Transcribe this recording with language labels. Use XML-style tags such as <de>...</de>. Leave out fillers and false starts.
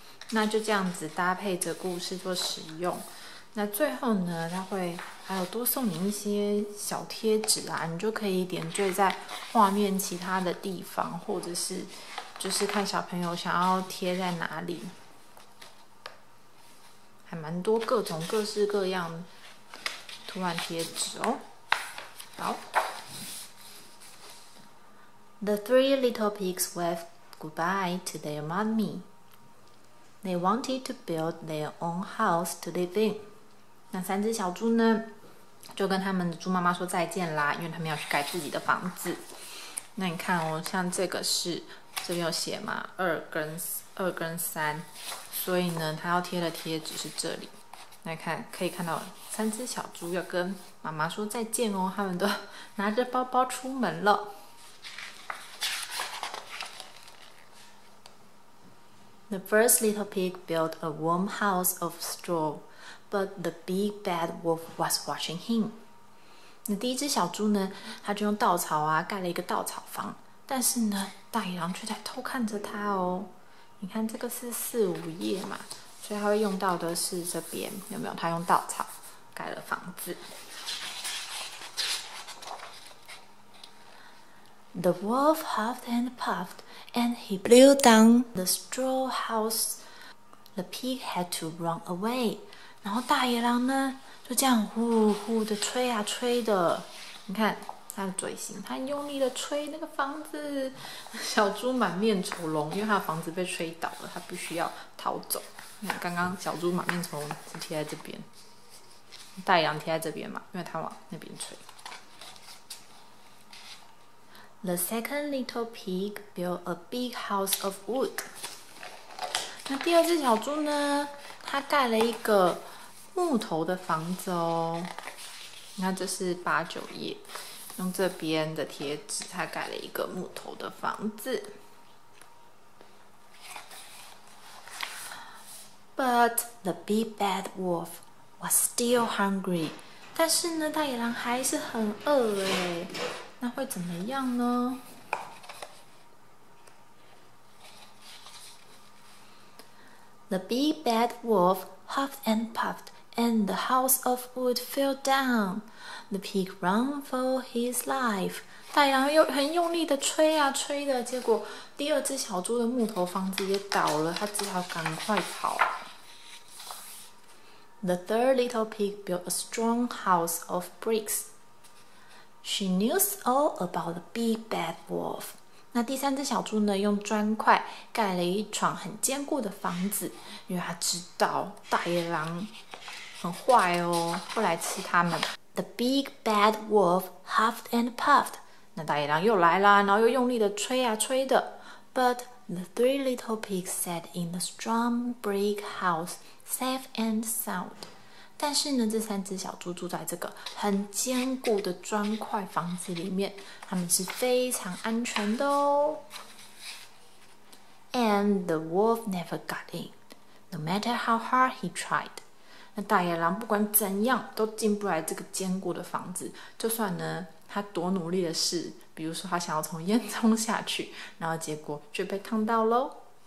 <zh>那就这样子搭配着故事做使用。那最后呢，它会还有多送你一些小贴纸啊，你就可以点缀在画面其他的地方，或者是就是看小朋友想要贴在哪里。还蛮多各种各式各样图案贴纸哦。</zh> <en>好，The three little pigs waved goodbye to their mommy. They wanted to build their own house to live in.</en> <zh>那三只小猪呢，就跟他们的猪妈妈说再见啦，因为他们要去盖自己的房子。那你看哦，像这个是，这边有写嘛，二跟三。所以呢，他要贴的贴纸是这里。那看，可以看到三只小猪要跟妈妈说再见哦，他们都拿着包包出门了。</zh> <en>The first little pig built a warm house of straw, but the big bad wolf was watching him.</en> <zh>那第一只小猪呢，他就用稻草啊盖了一个稻草房，但是呢，大野狼却在偷看着他哦。你看这个是4、5页嘛，所以他会用到的是这边，有没有？他用稻草盖了房子。</zh> <en>The wolf huffed and puffed, and he blew down the straw house. The pig had to run away.</en> <zh>然后大野狼呢，就这样呼呼的吹啊吹的，你看。他的嘴型，他用力的吹那个房子，小猪满面愁容，因为他的房子被吹倒了，他必须要逃走。你看，刚刚小猪满面愁容是贴在这边，大羊贴在这边嘛，因为他往那边吹。</zh> <en>The second little pig built a big house of wood。</en> <zh>那第二只小猪呢？他盖了一个木头的房子哦。那这是8、9页。用这边的贴纸，他盖了一个木头的房子。</zh> <en>But the big bad wolf was still hungry。</en> <zh>但是呢，大野狼还是很饿哎。那会怎么样呢？</zh> <en>The big bad wolf huffed and puffed。 And the house of wood fell down. The pig ran for his life.</en> <zh>大羊又很用力的吹啊吹的，结果第二只小猪的木头房子也倒了，他只好赶快跑。</zh> <en>The third little pig built a strong house of bricks. She knew all about the big bad wolf.</en> <zh>那第三只小猪呢，用砖块盖了一幢很坚固的房子，因为他知道大野狼。很坏哦，会来吃他们。</zh> <en>The big bad wolf huffed and puffed。</en> <zh>那大野狼又来啦，然后又用力的吹啊吹的。</zh> <en>But the three little pigs sat in the strong brick house, safe and sound。</en> <zh>但是呢，这三只小猪住在这个很坚固的砖块房子里面，他们是非常安全的哦。</zh> <en>And the wolf never got in, no matter how hard he tried。</en> <zh>那大野狼不管怎样都进不来这个坚固的房子，就算呢他多努力的事，比如说他想要从烟囱下去，然后结果却被烫到喽。</zh>